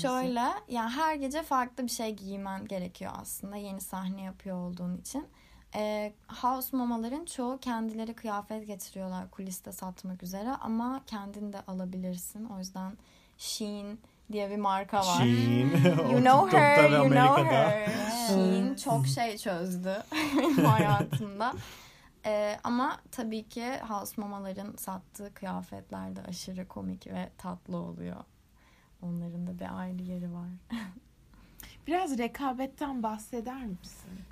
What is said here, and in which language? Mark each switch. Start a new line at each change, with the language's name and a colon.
Turkish: Şöyle yani her gece farklı bir şey giymen gerekiyor aslında yeni sahne yapıyor olduğun için. House mamaların çoğu kendileri kıyafet getiriyorlar kuliste satmak üzere ama kendin de alabilirsin. O yüzden Shein diye bir marka var. Shein.
English: You know her, you know her.
Turkish: Shein çok şey çözdü hayatımda. Ama tabii ki house mamaların sattığı kıyafetler de aşırı komik ve tatlı oluyor. Onların da bir ayrı yeri var. Biraz rekabetten bahseder misin?